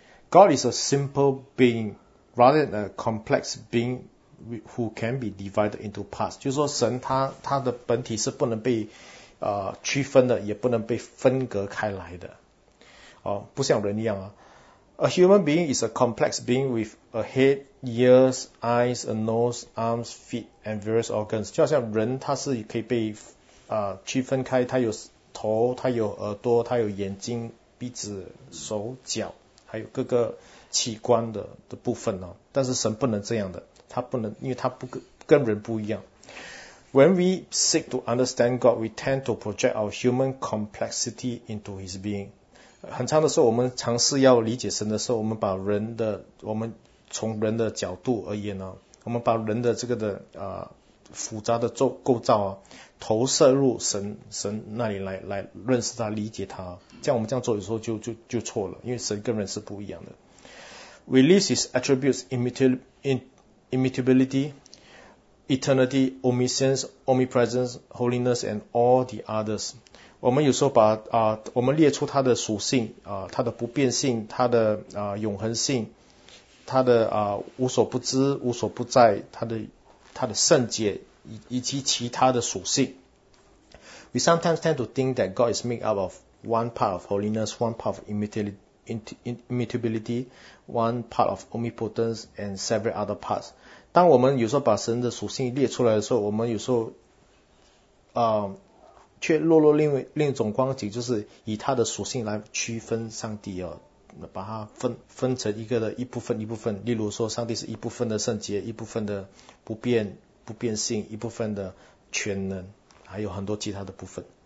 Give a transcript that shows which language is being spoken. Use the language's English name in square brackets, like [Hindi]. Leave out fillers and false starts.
[English] God is a simple being rather than a complex being who can be divided into parts. [Chinese] 就是说神他的本体是不能被区分的，也不能被分隔开来的。不像人一样啊。 [English] A human being is a complex being with a head, ears, eyes, a nose, arms, feet, and various organs. [Chinese] 就好像人他是可以被区分开，他有头，他有耳朵，他有眼睛，鼻子，手脚，还有各个器官 的部分，但是神不能这样的，他不能，因为他跟人不一样。 [English] When we seek to understand God, we tend to project our human complexity into his being. [Chinese] 很长的时候我们尝试要理解神的时候，我们把人的，我们从人的角度而言，我们把人的这个的复杂的构造投射入神那里来认识他，理解他。这样我们这样做的时候就错了，因为神跟人是不一样的。 [English] We list his attributes immutability, eternity, omniscience, omnipresence, holiness, and all the others. [Chinese] 我们有时候把我们列出他的属性他的不变性，他的永恒性，他的无所不知，无所不在，他的圣洁以及其他的属性。 [English] We sometimes tend to think that God is made up of one part of holiness, one part of immutability, one part of omnipotence, and several other parts. [Chinese] 当我们有时候把神的属性列出来的时候，我们有时候却落入另一种光景，就是以他的属性来区分上帝把它分成一个的一部分一部分，例如说上帝是一部分的圣洁，一部分的不变性，一部分的全能，还有很多其他的部分。